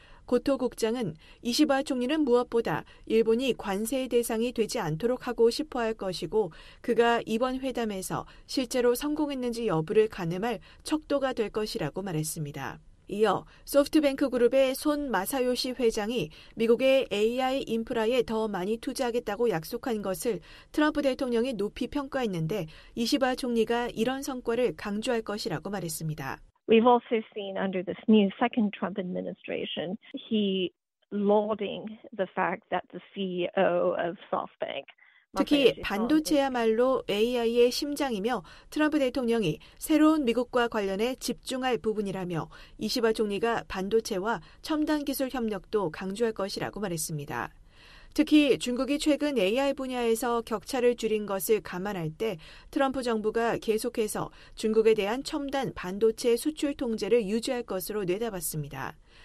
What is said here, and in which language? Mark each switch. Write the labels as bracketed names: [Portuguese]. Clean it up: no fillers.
[Korean] 고토 국장은 이시바 총리는 무엇보다 일본이 관세의 대상이 되지 않도록 하고 싶어 할 것이고 그가 이번 회담에서 실제로 성공했는지 여부를 가늠할 척도가 될 것이라고 말했습니다. 이어 소프트뱅크 그룹의 손 마사요시 회장이 미국의 AI 인프라에 더 많이 투자하겠다고 약속한 것을 트럼프 대통령이 높이 평가했는데 이시바 총리가 이런 성과를 강조할 것이라고 말했습니다. [English] We've also seen under this new second Trump administration, he lauding the fact that the CEO of SoftBank [Korean] 특히 반도체야말로 AI의 심장이며 트럼프 대통령이 새로운 미국과 관련해 집중할 부분이라며 이시바 총리가 반도체와 첨단 기술 협력도 강조할 것이라고 말했습니다. 특히 중국이 최근 AI 분야에서 격차를 줄인 것을 감안할 때 트럼프 정부가 계속해서 중국에 대한 첨단 반도체 수출 통제를 유지할 것으로 내다봤습니다.